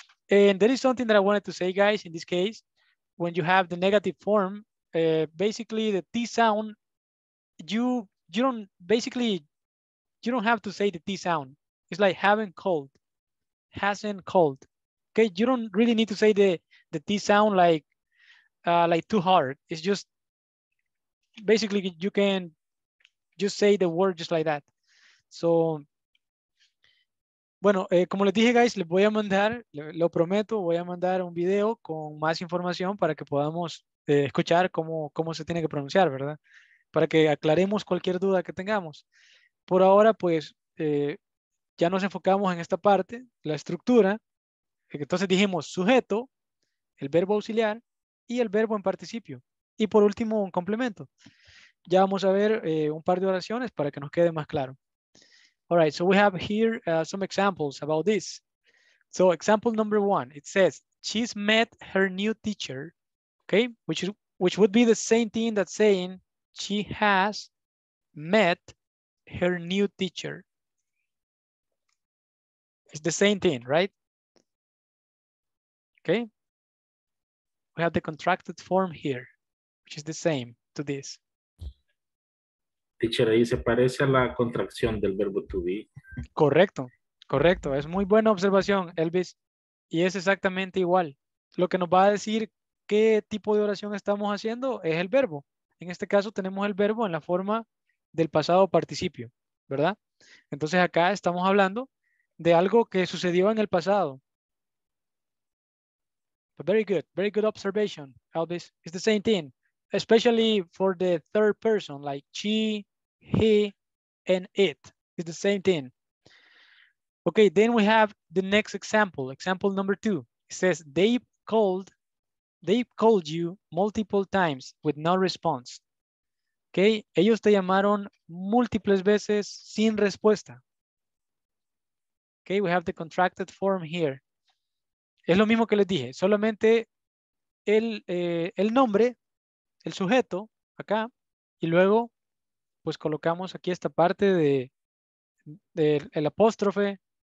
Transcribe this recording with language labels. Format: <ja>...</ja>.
<en>And there is something that I wanted to say, guys, in this case, when you have the negative form, basically the T sound, you don't have to say the T sound. It's like haven't called, hasn't called. Okay, you don't really need to say the T sound like too hard. It's just, basically you can just say the word just like that.</en> <es>So, bueno, como les dije, guys, les voy a mandar, lo prometo, voy a mandar un video con más información para que podamos escuchar cómo se tiene que pronunciar, ¿verdad? para que aclaremos cualquier duda que tengamos. Por ahora, pues, ya nos enfocamos en esta parte, la estructura. Entonces dijimos sujeto, el verbo auxiliar y el verbo en participio. Y por último, un complemento. Ya vamos a ver un par de oraciones para que nos quede más claro.</es> <en>All right, so we have here some examples about this. So example number one, it says, she's met her new teacher, okay? Which would be the same thing that saying, she has met her new teacher. It's the same thing, right? Okay? We have the contracted form here, which is the same to this.</en> <es>Teacher, ahí se parece a la contracción del verbo to be. Correcto, correcto. Es muy buena observación, Elvis. Y es exactamente igual. Lo que nos va a decir qué tipo de oración estamos haciendo es el verbo. En este caso tenemos el verbo en la forma del pasado participio, ¿verdad? Entonces acá estamos hablando de algo que sucedió en el pasado.</es> <en>But very good observation, Elvis. It's the same thing. Especially for the third person, like she, he, and it. It's the same thing. Okay, then we have the next example. Example number two. It says, they called you multiple times with no response.</en> <es>Okay, ellos te llamaron múltiples veces sin respuesta.</es> <en>Okay, we have the contracted form here.</en> <es>Es lo mismo que les dije, solamente el nombre, el sujeto, acá, y luego, pues colocamos aquí esta parte del apóstrofe.</es>